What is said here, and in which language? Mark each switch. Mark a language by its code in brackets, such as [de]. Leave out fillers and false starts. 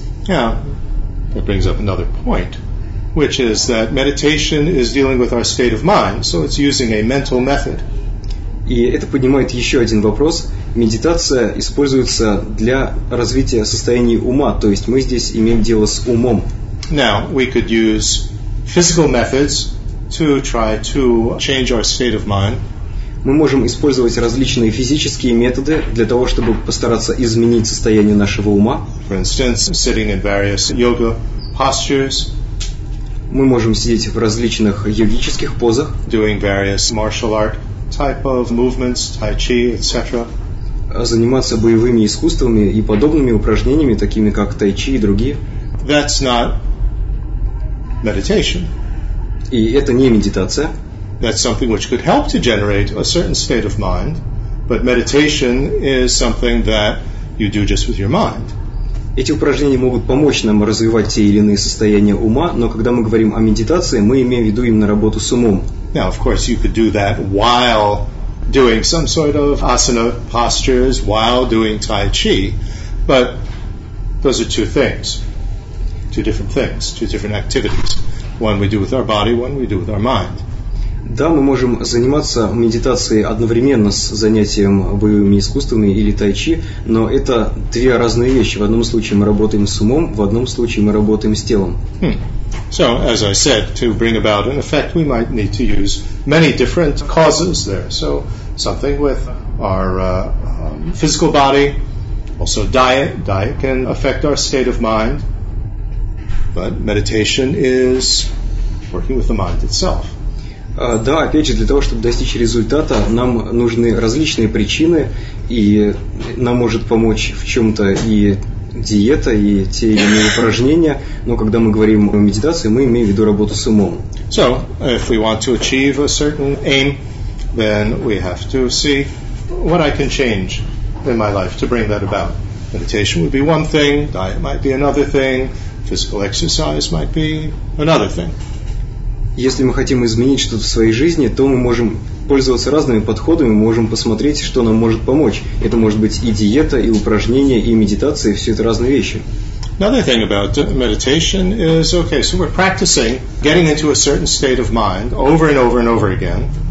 [en] Yeah, that brings up another point, which is that meditation is dealing with our state of mind, so it's using a mental method. [ru] И это поднимает еще один вопрос. Медитация используется для развития состояния ума, то есть мы здесь имеем дело с умом. [en] Now, we could use physical methods to try to change our state of mind. [ru] Мы можем использовать различные физические методы для того, чтобы постараться изменить состояние нашего ума. [en] For instance, sitting in various yoga postures. [ru] Мы можем сидеть в различных йогических позах, [en] doing various martial art type of movements, tai chi, etc. [ru] Заниматься боевыми искусствами и подобными упражнениями, такими как tai chi и другие. [en] That's not meditation. [ru] И это не медитация. [en] That's something which could help to generate a certain state of mind, but meditation is something that you do just with your mind. [ru] Эти упражнения могут помочь нам развивать те или иные состояния ума, но когда мы говорим о медитации, мы имеем в виду именно работу с умом. [en] Now, of course, you could do that while doing some sort of asana postures, while doing tai chi, but those are two things, two different things, two different activities. One we do with our body, one we do with our mind. [ru] Да, мы можем заниматься медитацией одновременно с занятием боевыми искусствами или тай-чи, но это две разные вещи. В одном случае мы работаем с умом, в одном случае мы работаем с телом. [en] So, as I said, to bring about an effect, we might need to use many different causes there. So, something with our physical body, also diet. Diet can affect our state of mind, but meditation is working with the mind itself. [ru] Да, опять же, для того, чтобы достичь результата, нам нужны различные причины, и нам может помочь в чем-то и диета, и те или иные упражнения, но когда мы говорим о медитации, мы имеем в виду работу с умом. [en] So, if we want to achieve a certain aim, then we have to see what I can change in my life to bring that about. Meditation would be one thing, diet might be another thing, physical exercise might be another thing. [ru] Если мы хотим изменить что-то в своей жизни, то мы можем пользоваться разными подходами, мы можем посмотреть, что нам может помочь. Это может быть и диета, и упражнения, и медитация, и все это разные вещи. [en] Another thing about meditation is, okay, so we're practicing getting into a certain state of mind over and over and over again.